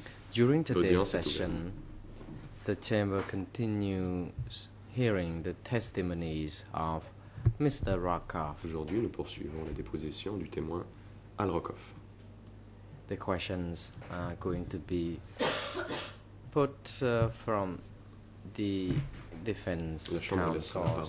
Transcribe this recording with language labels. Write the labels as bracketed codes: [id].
[en] During today's session, the chamber continues hearing the testimonies of Mr. Rakoff. [fr] Aujourd'hui, nous poursuivons la déposition du témoin Al Rakoff. [en] The questions are going to be put from the defense counsel.